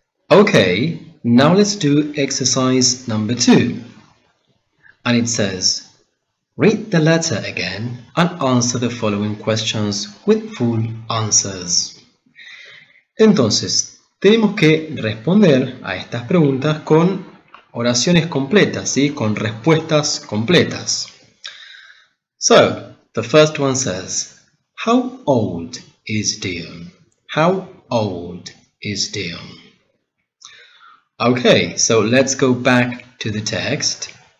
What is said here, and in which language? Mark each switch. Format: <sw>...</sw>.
<en>Okay, now let's do exercise number 2. And it says, read the letter again and answer the following questions with full answers.</en> <es>Entonces, tenemos que responder a estas preguntas con oraciones completas, ¿sí? Con respuestas completas.</es> <en>So, the first one says, how old is Dion? How old is Dion? Okay, so let's go back to the text.</en>